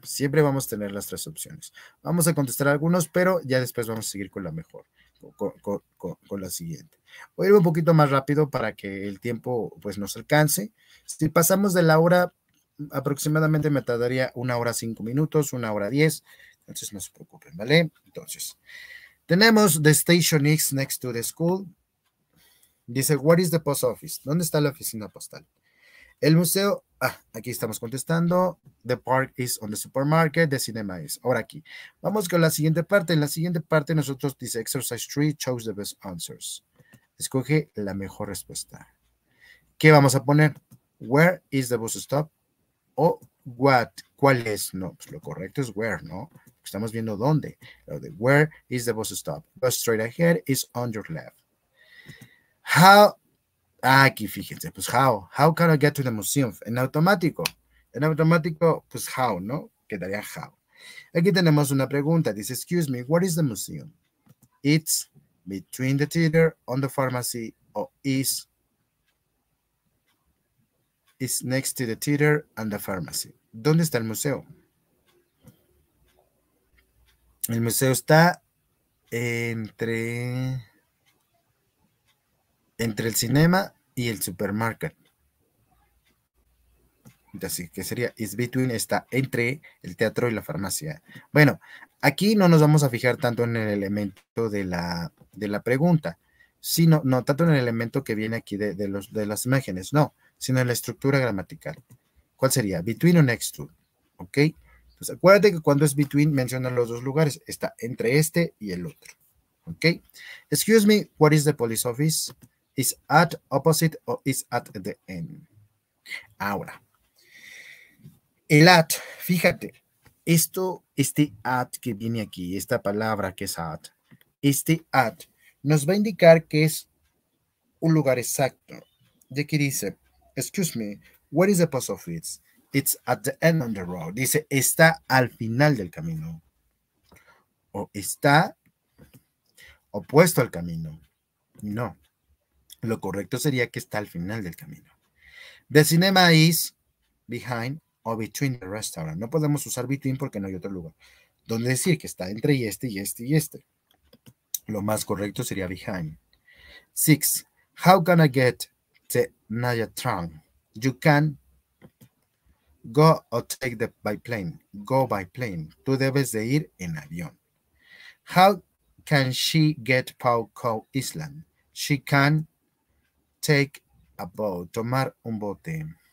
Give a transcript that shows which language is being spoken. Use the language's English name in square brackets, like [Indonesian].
[Spanish] Siempre vamos a tener las tres opciones. Vamos a contestar algunos, pero ya después vamos a seguir con la mejor. Con la siguiente. Voy a ir un poquito más rápido para que el tiempo, pues, nos alcance. Si pasamos de la hora, aproximadamente me tardaría 1 hora 5 minutos, 1 hora 10. Entonces, no se preocupen, ¿vale? Entonces, tenemos [English] the station is next to the school. Dice, what is the post office? [Spanish] ¿Dónde está la oficina postal? El museo, aquí estamos contestando. [English] The park is on the supermarket. The cinema is. [Spanish] Ahora aquí. Vamos con la siguiente parte. En la siguiente parte nosotros dice, [English] exercise 3, choose the best answers. [Spanish] Escoge la mejor respuesta. ¿Qué vamos a poner? [English] Where is the bus stop? [Spanish] O what? ¿Cuál es? No, pues lo correcto es where, ¿no? Estamos viendo dónde. [English] Where is the bus stop? Go straight ahead, is on your left. How, [Spanish] aquí fíjense, pues [English] how can I get to the museum? [Spanish] En automático, pues how, ¿no? Quedaría [English] how. [Spanish] Aquí tenemos una pregunta, dice, [English] excuse me, what is the museum? It's between the theater on the pharmacy, or is next to the theater and the pharmacy. [Spanish] ¿Dónde está el museo? El museo está entre el cinema y el supermarket. Así que sería, is between, está entre el teatro y la farmacia. Bueno, aquí no nos vamos a fijar tanto en el elemento de la pregunta, sino, no tanto en el elemento que viene aquí de las imágenes, no, sino en la estructura gramatical. ¿Cuál sería? Between o next to, ¿ok? Entonces, acuérdate que cuando es between, menciona los dos lugares, está entre este y el otro, ¿ok? [English] Excuse me, what is the police office? Is at opposite o is at the end. [Spanish] Ahora, el at, fíjate, esto, este at que viene aquí, esta palabra que es at, este at, nos va a indicar que es un lugar exacto. De aquí dice, [English] excuse me, where is the post office? It's at the end of the road. [Spanish] Dice, está al final del camino. O está opuesto al camino. No. Lo correcto sería que está al final del camino. [English] The cinema is behind or between the restaurant. [Spanish] No podemos usar between porque no hay otro lugar. ¿Dónde decir que está entre este y este? Lo más correcto sería behind. 6. [English] How can I get to Naya Trang? You can go or take the by plane. Go by plane. [Spanish] Tú debes de ir en avión. [English] How can she get Pau Co Island? She can take a boat, [Spanish] tomar un bote.